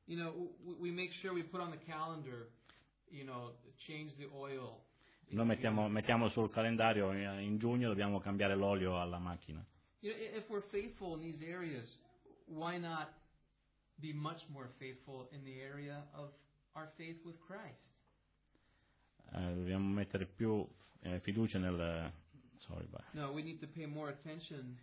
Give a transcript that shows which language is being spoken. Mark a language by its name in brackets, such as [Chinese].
[English] You know, we make sure we put on the calendar, you know, change the oil. [Italian] Noi mettiamo sul calendario in giugno dobbiamo cambiare l'olio alla macchina. [English] You know, if we're faithful in these areas, why not be much more faithful in the area of our faith with Christ? [Italian] Dobbiamo mettere più fiducia nel [English] No, we need to pay more attention.